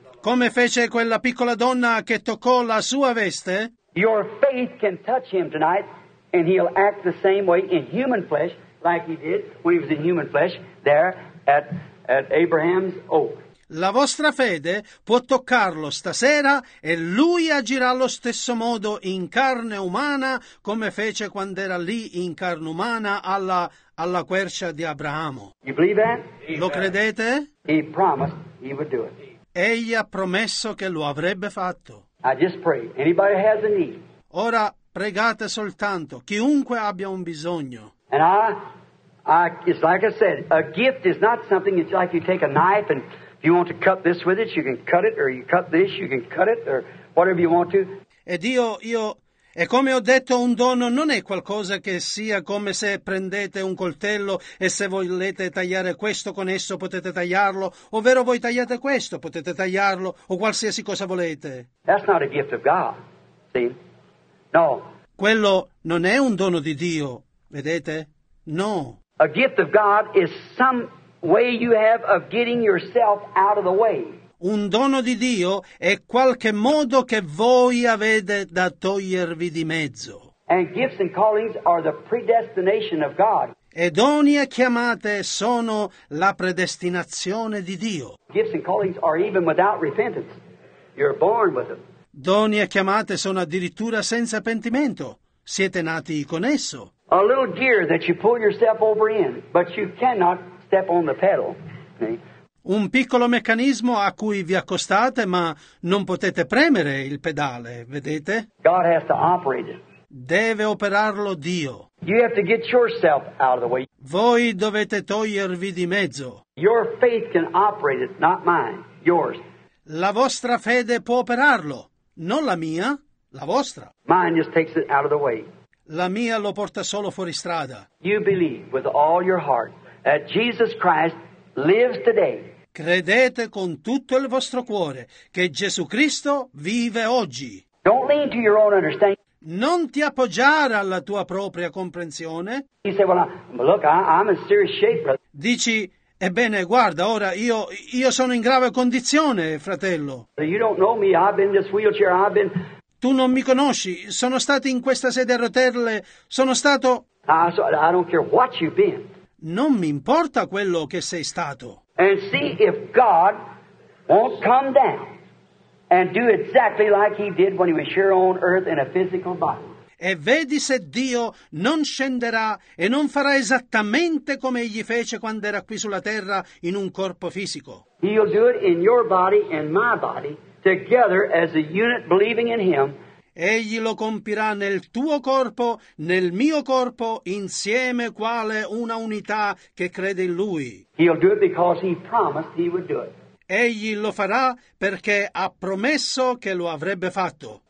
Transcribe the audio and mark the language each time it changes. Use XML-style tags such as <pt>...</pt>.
<it>Come fece quella piccola donna che toccò la sua veste?</it> <en>Your faith can touch him tonight and he'll act the same way in human flesh like he did when he was in human flesh there at Abraham's oak.</en> <it>La vostra fede può toccarlo stasera e lui agirà allo stesso modo in carne umana come fece quando era lì in carne umana alla quercia di Abramo.</it> <en>You believe that?</en> <it>Lo credete?</it> <en>He promised he would do it.</en> <it>Egli ha promesso che lo avrebbe fatto.</it> <en>I just pray. Anybody has a need.</en> <it>Ora pregate soltanto, chiunque abbia un bisogno.</it> <en>And I it's like I said, a gift is not something, it's like you take a knife and if you want to cut this with it, you can cut it, or you cut this, you can cut it, or whatever you want to.</en> <it>Ed io e come ho detto, un dono non è qualcosa che sia come se prendete un coltello e se volete tagliare questo con esso potete tagliarlo, ovvero voi tagliate questo, potete tagliarlo, o qualsiasi cosa volete.</it> <en>That's not a gift of God, see? No.</en> <it>Quello non è un dono di Dio, vedete? No.</it> <en>A gift of God is some way you have of getting yourself out of the way.</en> <it>Un dono di Dio è qualche modo che voi avete da togliervi di mezzo.</it> <en>And gifts and callings are the predestination of God.</en> <it>E doni e chiamate sono la predestinazione di Dio.</it> <en>Gifts and callings are even without repentance. You're born with them.</en> <it>Doni e chiamate sono addirittura senza pentimento. siete nati con esso.</it> <en>A little gear that you pull yourself over in, but you cannot step on the pedal.</en> <it>Un piccolo meccanismo a cui vi accostate, ma non potete premere il pedale, vedete?</it> <en>God has to operate it.</en> <it>Deve operarlo Dio.</it> <en>You have to get yourself out of the way.</en> <it>Voi dovete togliervi di mezzo.</it> <en>Your faith can operate it, not mine, yours.</en> <it>La vostra fede può operarlo, non la mia, la vostra.</it> <en>Mine just takes it out of the way.</en> <it>La mia lo porta solo fuori strada.</it> <en>You believe with all your heart that Jesus Christ lives today.</en> <it>Credete con tutto il vostro cuore che Gesù Cristo vive oggi.</it> <en>Don't lean to your own understanding.</en> <it>Non ti appoggiare alla tua propria comprensione.</it> <en>You say, well, look, I'm in serious shape, brother.</en> <it>Dici, ebbene, guarda, ora io sono in grave condizione, fratello.</it> <en>You don't know me. I've been in this wheelchair. I've been...</en> <it>Tu non mi conosci. Sono stato in questa sedia a rotelle. Sono stato...</it> <en>I don't care what you've been.</en> <it>Non mi importa quello che sei stato.</it> <en>And see if God won't come down and do exactly like he did when he was here on earth in a physical body.</en> <it>E vedi se Dio non scenderà e non farà esattamente come egli fece quando era qui sulla terra in un corpo fisico.</it> <en>He'll do it in your body and my body together as a unit believing in him.</en> <it>Egli lo compirà nel tuo corpo, nel mio corpo, insieme quale una unità che crede in Lui.</it> <en>He'll do it because he promised he would do it.</en> <it>Egli lo farà perché ha promesso che lo avrebbe fatto.</it>